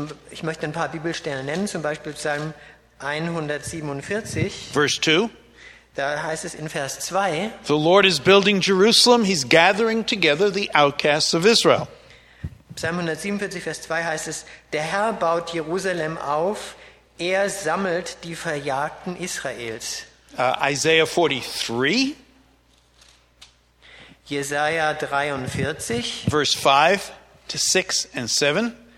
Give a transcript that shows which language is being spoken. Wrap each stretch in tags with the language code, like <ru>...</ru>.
<de>Ich möchte ein paar Bibelstellen nennen, zum Beispiel Psalm 147. Verse 2. Da heißt es in Vers 2.</de> <en>The Lord is building Jerusalem, he's gathering together the outcasts of Israel.</en> <de>Psalm 147, Vers 2 heißt es, der Herr baut Jerusalem auf, er sammelt die Verjagten Israels.</de> <en>Isaiah 43.</en> <de>Jesaja 43.</de> <en>Verse 5 to 6 and 7.</en>